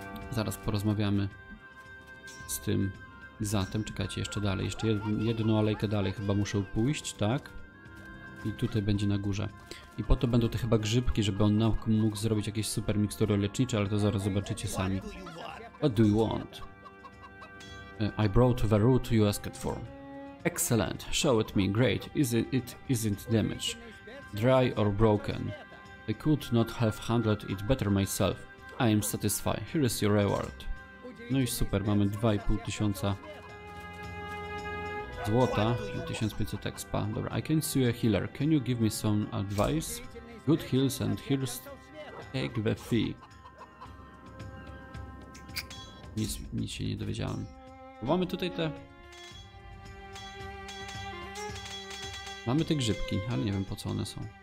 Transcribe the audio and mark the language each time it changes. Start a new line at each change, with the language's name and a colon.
Polish: Zaraz porozmawiamy z tym Zatem. Czekajcie, jeszcze dalej. Jeszcze jedną alejkę dalej chyba muszę pójść, tak? I tutaj będzie na górze. I po to będą te chyba grzybki, żeby on nam mógł zrobić jakieś super mikstury lecznicze, ale to zaraz zobaczycie sami.
English: What do you want? I brought the root you asked for. Excellent. Show it me. Great. Isn't damaged. Dry or broken. I could not have handled it better myself. I am satisfied. Here is your reward.
Polish: No i super, mamy 2500 złota i 1500 expa.
English: Dobra, I can see a healer. Can you give me some advice? Good heals and heals take the fee.
Polish: Nic się nie dowiedziałem. Mamy tutaj te. Mamy te grzybki, ale nie wiem po co one są.